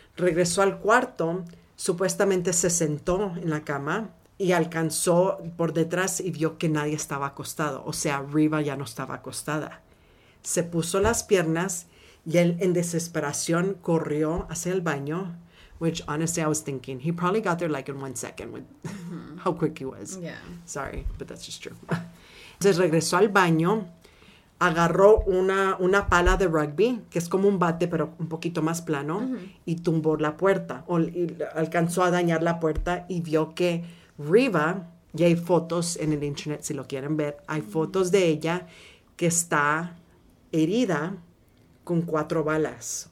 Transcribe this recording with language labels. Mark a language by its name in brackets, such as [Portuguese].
[Spanish] Regresó al cuarto, supuestamente se sentó en la cama y alcanzó por detrás y vio que nadie estaba acostado. O sea, Reva ya no estaba acostada. Se puso las piernas y él en desesperación corrió hacia el baño. [English] Which, honestly, I was thinking, he probably got there like in 1 second with how quick he was. Yeah. Sorry, but that's just true. [Spanish] Entonces regresó al baño, agarró una pala de rugby, que es como un bate, pero un poquito más plano, y tumbó la puerta. Y alcanzó a dañar la puerta y vio que Reva, y hay fotos en el internet si lo quieren ver, hay fotos de ella que está herida con 4 balas.